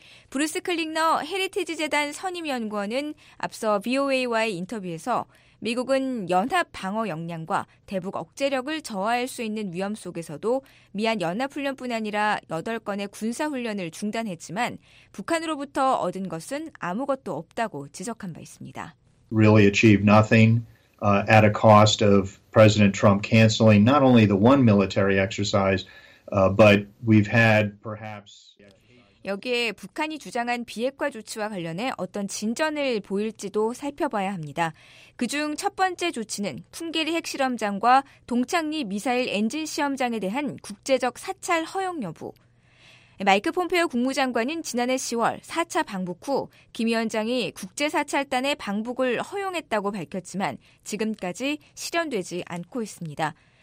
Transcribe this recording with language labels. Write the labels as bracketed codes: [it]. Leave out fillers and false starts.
[ko] 브루스 클릭너 헤리티지 재단 선임연구원은 앞서 VOA와의 인터뷰에서 미국은 연합 방어 역량과 대북 억제력을 저하할 수 있는 위험 속에서도 미한 연합훈련뿐 아니라 8건의 군사훈련을 중단했지만 북한으로부터 얻은 것은 아무것도 없다고 지적한 바 있습니다. [en] Really achieved nothing at a cost of President Trump canceling not only the one military exercise, but we've had perhaps... [ko] 여기에 북한이 주장한 비핵화 조치와 관련해 어떤 진전을 보일지도 살펴봐야 합니다. 그중 첫 번째 조치는 풍계리 핵실험장과 동창리 미사일 엔진 시험장에 대한 국제적 사찰 허용 여부. 마이크 폼페오 국무장관은 지난해 10월 4차 방북 후 김 위원장이 국제 사찰단의 방북을 허용했다고 밝혔지만 지금까지 실현되지 않고 있습니다.